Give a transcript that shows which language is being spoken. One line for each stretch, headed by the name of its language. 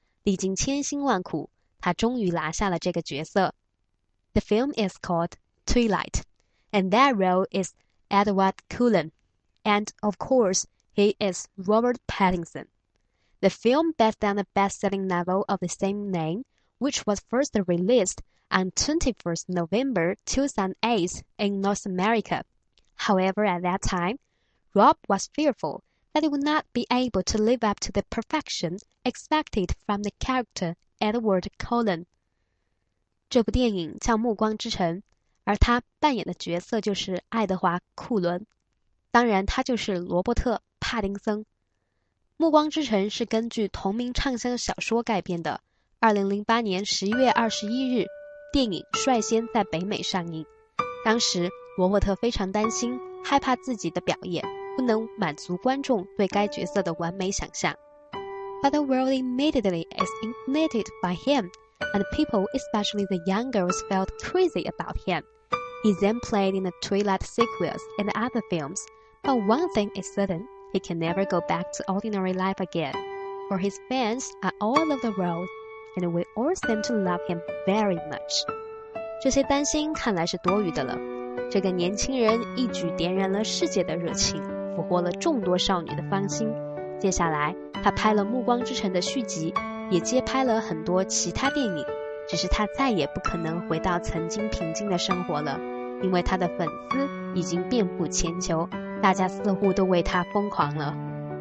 Chinese: 历经千辛万苦，他终于拿下了这个角色。
English: The film is called Twilight, and that role is Edward Cullen, and of course, he is Robert Pattinson. The film based on the best-selling novel of the same name, which was first released on 21st November 2008 in North America. However, at that time, Rob was fearful. That he would not be able to live up to the perfection expected from the character Edward Cullen.
Chinese: 这部电影叫《暮光之城》，而他扮演的角色就是爱德华·库伦，当然他就是罗伯特·帕丁森。 《暮光之城》是根据同名畅销小说改编的。 2008年11月21日，电影率先在北美上映。当时罗伯特非常担心，害怕自己的表演不能满足观众对该角色的完美想象。
English: But the world immediately is ignited by him, and people, especially the young girls, felt crazy about him. He then played in the Twilight sequels and other films, but one thing is certain, he can never go back to ordinary life again, for his fans are all over the world, and we all seem to love him very much.
Chinese: 这些担心看来是多余的了。这个年轻人一举点燃了世界的热情，俘获了众多少女的芳心。接下来，他拍了《暮光之城》的续集，也接拍了很多其他电影，只是他再也不可能回到曾经平静的生活了，因为他的粉丝已经遍布全球，大家似乎都为他疯狂了。